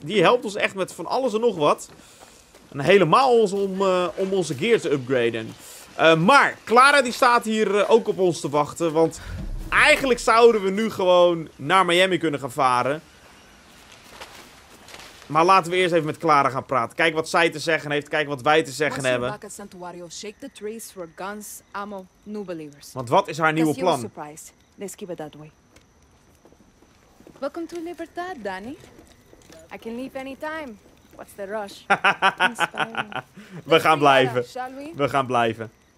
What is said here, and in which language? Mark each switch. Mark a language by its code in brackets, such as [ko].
[nl] Die helpt ons echt met van alles en nog wat. En helemaal ons om onze gear te upgraden. Maar Clara die staat hier ook op ons te wachten. Want eigenlijk zouden we nu gewoon naar Miami kunnen gaan varen. Maar laten we eerst even met Clara gaan praten. Kijk wat zij te zeggen heeft, kijk wat wij te zeggen hebben. [en] Shake the trees for guns, ammo, new believers. [nl] Want wat is haar nieuwe plan? [en] Let's keep it that way. Welcome to Libertad, Danny. I can leave anytime. What's the rush? [nl] We gaan blijven. We gaan blijven.